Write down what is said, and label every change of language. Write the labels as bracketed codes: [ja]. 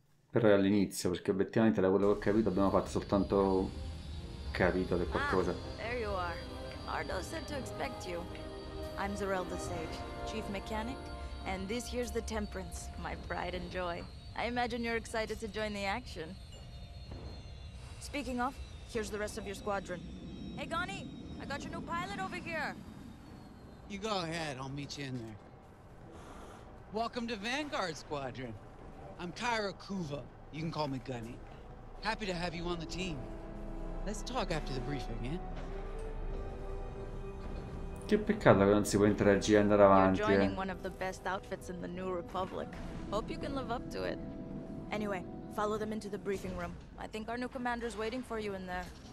[it] Però è all'inizio, perché obiettivamente da quello che ho capito abbiamo fatto soltanto capitolo e qualcosa. [en] There you are. Ardo said to expect you. I'm Zerelda Sage, chief mechanic, and this here's the Temperance, my pride and joy. I imagine you're excited to join the action. Speaking of, here's the rest of your squadron. Hey, Gani, I got your new pilot over here. You go ahead, I'll meet you in there. Welcome to Vanguard Squadron. I'm Kyra Kuva. You can call me Gunny. Happy to have you on the team. Let's talk after the briefing, eh? [it] Che peccato che non si può interagire e andare avanti. [en] You're joining one of the best outfits in the New Republic. Hope you can live up to it. Anyway, follow them into the briefing room. I think our new commander's waiting for you in there.